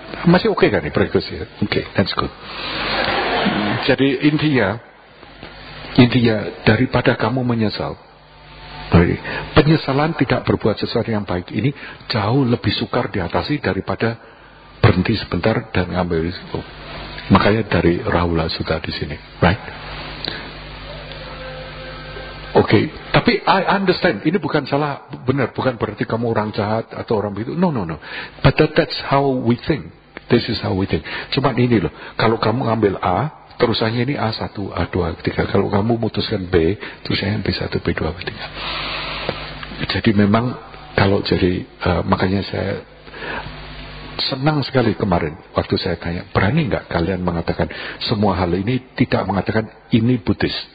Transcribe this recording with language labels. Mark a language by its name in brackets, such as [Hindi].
[Indonesian] Masih oke kan nih progresnya? Oke, [English] that's good. [Indonesian] Jadi intinya daripada kamu menyesal, penyesalan tidak berbuat sesuatu yang baik ini jauh lebih sukar diatasi daripada berhenti sebentar dan ngambil risiko. Makanya dari Rahula sudah di sini, [English] right? [Indonesian] Oke, tapi [English] I understand, [Indonesian] ini bukan salah, benar, bukan berarti kamu orang jahat atau orang begitu, no. [English] But that's how we think, this is how we think. [Indonesian] Cuma ini loh, kalau kamu ambil A, terusannya ini A1, A2, A3. Kalau kamu memutuskan B, terusannya B1, B2, B3. Jadi memang, kalau jadi, makanya saya senang sekali kemarin waktu saya tanya, berani enggak kalian mengatakan semua hal ini, tidak mengatakan ini Buddhis.